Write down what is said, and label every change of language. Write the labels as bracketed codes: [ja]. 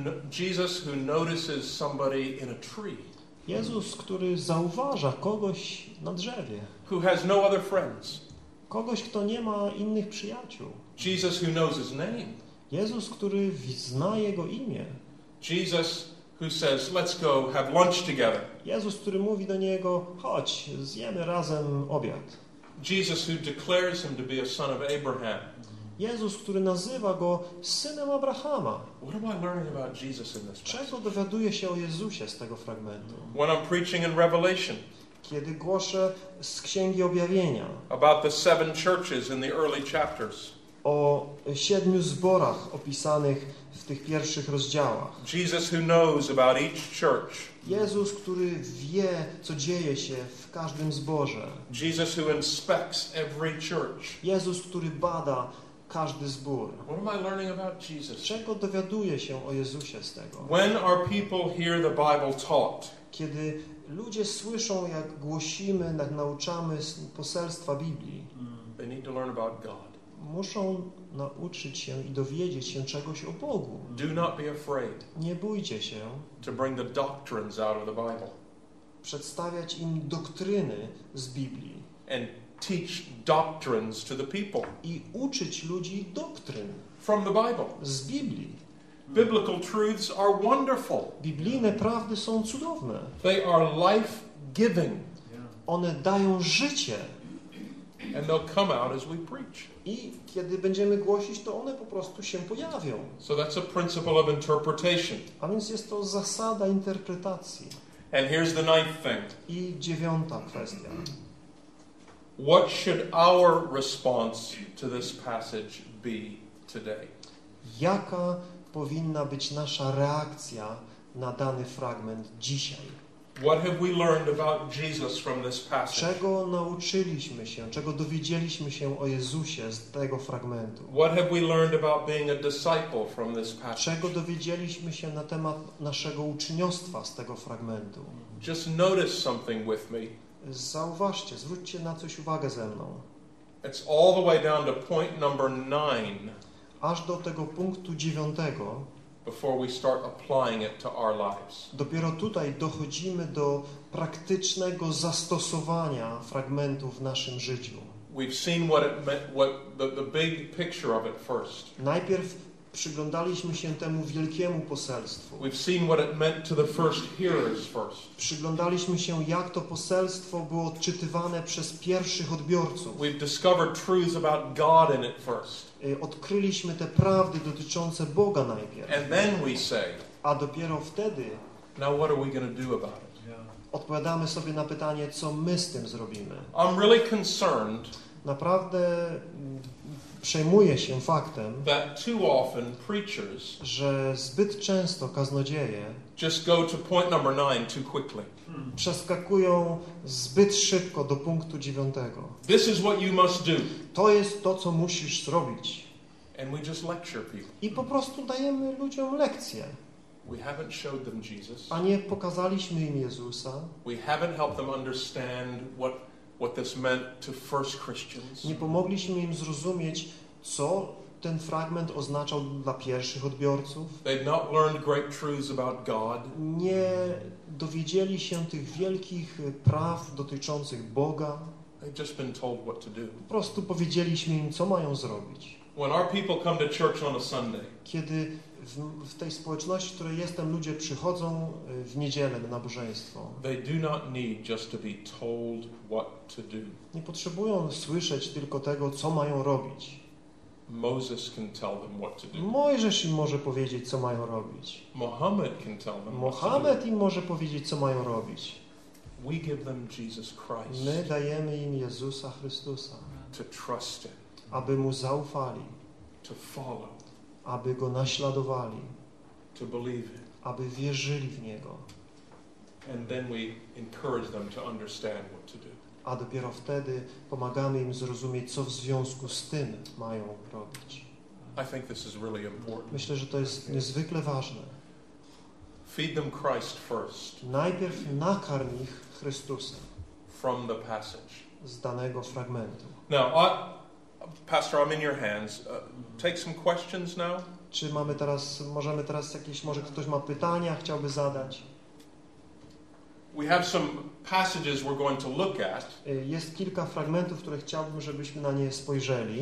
[en] Jesus who notices somebody in a tree. [pl] Jezus, który zauważa kogoś na drzewie. [en] Who has no other friends. [pl] Kogoś, kto nie ma innych przyjaciół. [en] Jesus who knows his name. [pl] Jezus, który zna jego imię. [en] Jesus who says, "Let's go have lunch together." [pl] Jezus, który mówi do niego, chodź, zjemy razem obiad. [en] Jesus who declares him to be a son of Abraham. [pl] Jezus, który nazywa go synem Abrahama. [en] What am I learning about Jesus in this passage? [pl] Czego dowiaduję się o Jezusie z tego fragmentu? [en] When I'm preaching in Revelation. [pl] Kiedy głoszę z Księgi Objawienia. [en] About the seven churches in the early chapters. [pl] O siedmiu zborach opisanych w tych pierwszych rozdziałach. [en] Jesus who knows about each church. [pl] Jezus, który wie, co dzieje się w każdym zborze. [en] Jesus who inspects every church. [pl] Jezus, który bada każdy zbór. [en] What am I learning about Jesus? [pl] Czego dowiaduję się o Jezusie z tego? [en] When are people hear the Bible taught? [pl] Kiedy ludzie słyszą, jak głosimy, jak nauczamy poselstwa Biblii. [en] They need to learn about God. [pl] Muszą nauczyć się i dowiedzieć się czegoś o Bogu. [en] Do not be afraid. [pl] Nie bójcie się. [en] To bring the doctrines out of the Bible. [pl] Przedstawiać im doktryny z Biblii. [en] And teach doctrines to the people. [pl] I uczyć ludzi doktryn. [en] From the Bible. [pl] Z Biblii. [en] Biblical truths are wonderful. [pl] Biblijne prawdy są cudowne. [en] They are life-giving. [pl] One dają życie. [en] And they'll come out as we preach. [pl] I kiedy będziemy głosić, to one po prostu się pojawią. [en] So that's a principle of interpretation. [pl] A więc jest to zasada interpretacji. [en] And here's the ninth thing. [pl] I dziewiąta kwestia. [en] What should our response to this passage be today? [pl] Jaka powinna być nasza reakcja na dany fragment dzisiaj? [en] What have we learned about Jesus from this passage? [pl] Czego nauczyliśmy się, czego dowiedzieliśmy się o Jezusie z tego fragmentu? [en] What have we learned about being a disciple from this passage? [pl] Czego dowiedzieliśmy się na temat naszego uczniostwa z tego fragmentu? [en] Just notice something with me. [pl] Zauważcie, zwróćcie na coś uwagę ze mną. [en] It's all the way down to point number 9. [pl] Aż do tego punktu 9. [en] Before we start applying it to our lives. [pl] Dopiero tutaj dochodzimy do praktycznego zastosowania fragmentu w naszym życiu. [en] We've seen what it meant, what the big picture of it first. [pl] Najpierw przyglądaliśmy się temu wielkiemu poselstwu. [en] We've seen what it meant to the first hearers first. [pl] Przyglądaliśmy się, jak to poselstwo było odczytywane przez pierwszych odbiorców. [en] We've discovered truths about God in it first. [pl] Odkryliśmy te prawdy dotyczące Boga najpierw. [en] And then we say, [pl] a dopiero wtedy [en] now what are we gonna do about it? [pl] Odpowiadamy sobie na pytanie, co my z tym zrobimy. [en] I'm really concerned. [pl] Naprawdę przejmuję się faktem, [en] that too often preachers, [pl] że zbyt często kaznodzieje [en] just go to point number 9 too quickly. [pl] Przeskakują zbyt szybko do punktu 9. [en] This is what you must do. [pl] To jest to, co musisz zrobić. [en] And we just lecture people. [pl] I po prostu dajemy ludziom lekcje. [en] We haven't showed them Jesus. [pl] A nie pokazaliśmy im Jezusa. [en] We haven't helped them understand what this meant to first Christians. [pl] Nie pomogliśmy im zrozumieć, co ten fragment oznaczał dla pierwszych odbiorców. [en] They've not learned great truths about God. [pl] Nie dowiedzieli się tych wielkich praw dotyczących Boga. [en] They've just been told what to do. [pl] Po prostu powiedzieliśmy im, co mają zrobić. [en] When our people come to church on a Sunday. [pl] Kiedy w tej społeczności, w której jestem, ludzie przychodzą w niedzielę na nabożeństwo. [en] They do not need just to be told what to do. [pl] Nie potrzebują słyszeć tylko tego, co mają robić. [en] Moses can tell them what to do. [pl] Mojżesz im może powiedzieć, co mają robić. [en] Mohammed can tell them. [pl] Mohammed im może powiedzieć, co mają robić. [en] We give them Jesus Christ. [pl] My dajemy im Jezusa Chrystusa. [en] To trust him. [pl] Aby mu zaufali. [en] To follow. [pl] Aby go naśladowali. [en] To believe him. [pl] Aby wierzyli w niego. [en] And then we encourage them to understand what to do. [pl] A dopiero wtedy pomagamy im zrozumieć, co w związku z tym mają robić. [en] I think this is really important. [pl] Myślę, że to jest niezwykle ważne. [en] Feed them Christ first. [pl] Najpierw nakarm ich Chrystusem. [en] From the passage. [pl] Z danego fragmentu. [en] Now, Pastor, I'm in your hands. Take some questions now. [pl] Czy mamy teraz, możemy teraz jakieś, może ktoś ma pytania, chciałby zadać? [en] We have some passages we're going to look at. [pl] Jest kilka fragmentów, które chciałbym, żebyśmy na nie spojrzeli.